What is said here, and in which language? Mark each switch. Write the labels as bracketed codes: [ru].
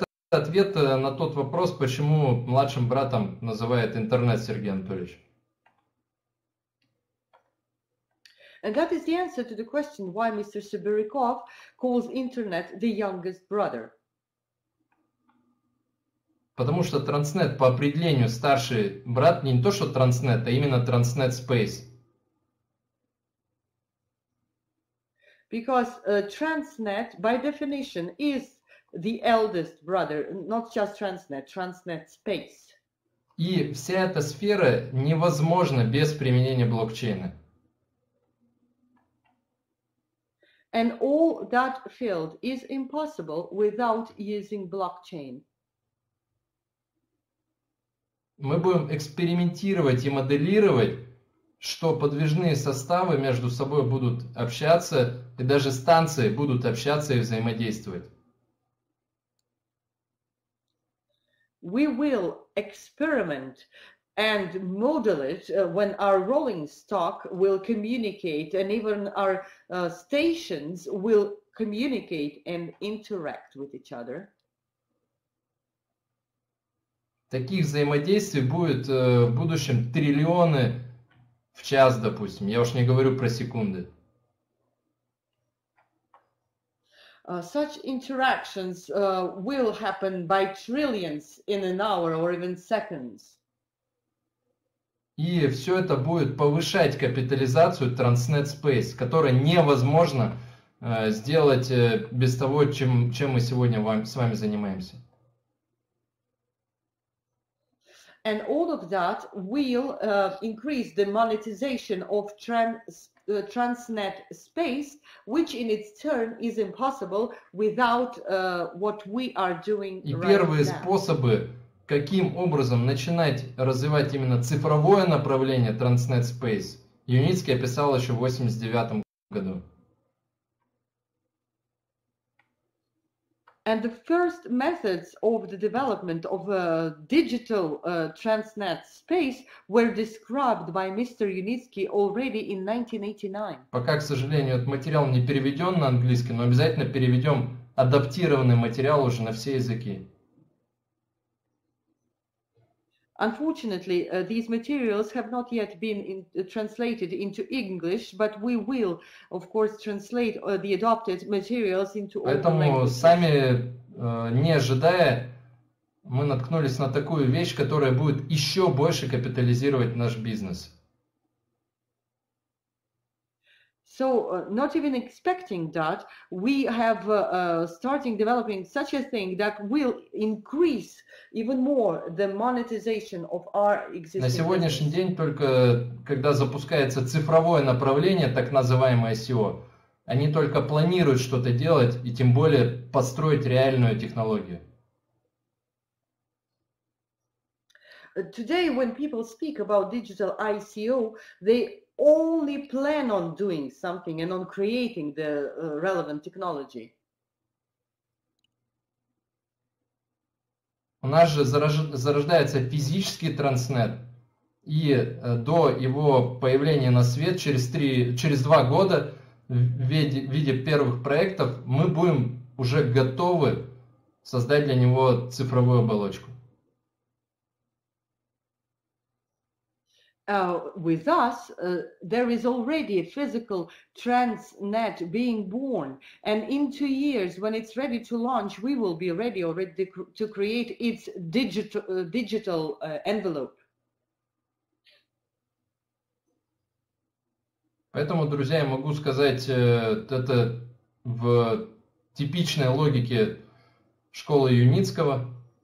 [ru] Ответ на тот вопрос, почему младшим братом называют интернет Сергей Анатольевич. [en] And that is the answer to the question why Mr. Siberikov calls internet the youngest brother. [ru] Потому что Transnet по определению старший брат не то, что Transnet, а именно Transnet Space. [en] Because Transnet by definition is the eldest brother, not just Transnet, Transnet Space. [ru] И вся эта сфера невозможна без применения блокчейна. [en] And all that field is impossible without using blockchain. [ru] Мы будем экспериментировать и моделировать, что подвижные составы между собой будут общаться, и даже станции будут общаться и взаимодействовать. [en] We will experiment and model it when our rolling stock will communicate and even our stations will communicate and interact with each other. [ru] Таких взаимодействий будет в будущем триллионы в час, допустим. Я уж не говорю про секунды. [en] Such interactions will happen by trillions in an hour or even seconds. [ru] И все это будет повышать капитализацию Transnet Space, которая невозможно сделать без того, чем мы сегодня с вами занимаемся. [en] And all of that will increase the monetization of transnet space, which in its turn is impossible without what we are doing right now. [ru] И первые способы, каким образом начинать развивать именно цифровое направление Transnet Space, Юницкий описал еще в 89 году. [en] And the first methods of the development of a digital transnet space were described by Mr. Yunitsky already in 1989. [ru] Пока, к сожалению, этот материал не переведен на английский, но обязательно переведем адаптированный материал уже на все языки. [en] Unfortunately, these materials have not yet been translated into English, but we will, of course, translate the adopted materials into all [ru] Поэтому [en] languages. [ru] Сами, не ожидая, мы наткнулись на такую вещь, которая будет еще больше капитализировать наш бизнес. [en] So, not even expecting that, we have starting developing such a thing that will increase even more the monetization of our existing. [ru] На сегодняшний день только когда запускается цифровое направление, так называемое ICO, они только планируют что-то делать и тем более построить реальную технологию. [en] Today, when people speak about digital ICO, they only plan on doing something and on creating the relevant technology. [ru] У нас же зарождается физический транснет, и до его появления на свет через два года в виде первых проектов мы будем уже готовы создать для него цифровую оболочку. [en] With us, there is already a physical transnet being born, and in 2 years, when it's ready to launch, we will be ready to create its digital envelope. [ru] Поэтому, друзья, я могу сказать, это в типичной логике школы Юницкого.